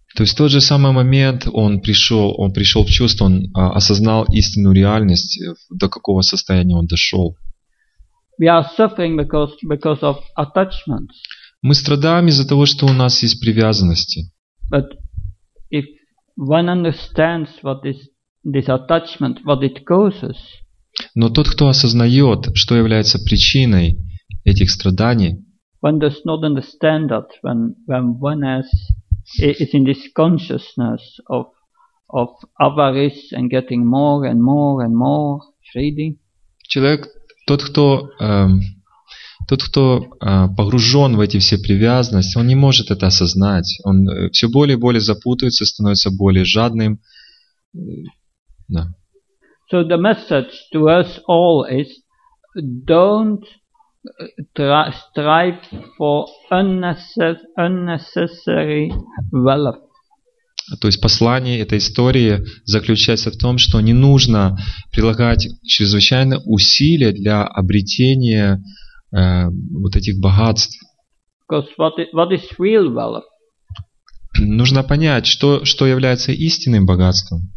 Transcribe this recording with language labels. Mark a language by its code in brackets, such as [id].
[ru] То есть в тот же самый момент он пришел в чувство, он осознал истинную реальность, до какого состояния он дошел. [en] We are suffering because of attachments. [ru] Мы страдаем из-за того, что у нас есть привязанности. [en] But if one understands what is this attachment, what it causes. [ru] Но тот, кто осознает, что является причиной этих страданий, [en] one does not understand that when one is in this consciousness of avarice and getting more and more and more greedy. [ru] Человек, тот, кто погружен в эти все привязанности, он не может это осознать. Он все более и более запутывается, становится более жадным. Да. [en] So the message to us all is don't strive for unnecessary wealth. [ru] То есть послание этой истории заключается в том, что не нужно прилагать чрезвычайно усилия для обретения вот этих богатств. [en] Because what is real wealth? [ru] Нужно понять, что является истинным богатством.